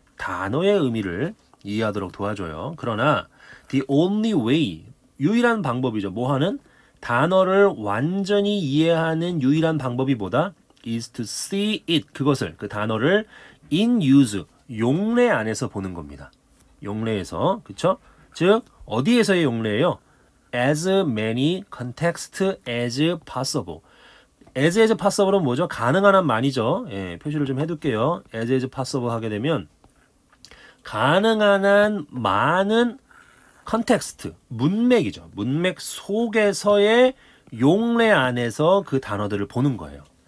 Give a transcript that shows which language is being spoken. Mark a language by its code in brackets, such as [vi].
[ko] 단어의 의미를 이해하도록 도와줘요. 그러나 [en] the only way, [ko] 유일한 방법이죠. 뭐 하는? 단어를 완전히 이해하는 유일한 방법이 뭐다? [en] is to see it. [ko] 그것을, 그 단어를 [en] in use, [ko] 용례 안에서 보는 겁니다. 용례에서. 그렇죠? 즉 어디에서의 용례예요? [en] as many context as possible. as possible [ko] 은 뭐죠? 가능한 한 많이죠. 예, 표시를 좀 해둘게요. [en] as possible [ko] 하게 되면 가능한 한 많은 컨텍스트, 문맥이죠. 문맥 속에서의 용례 안에서 그 단어들을 보는 거예요.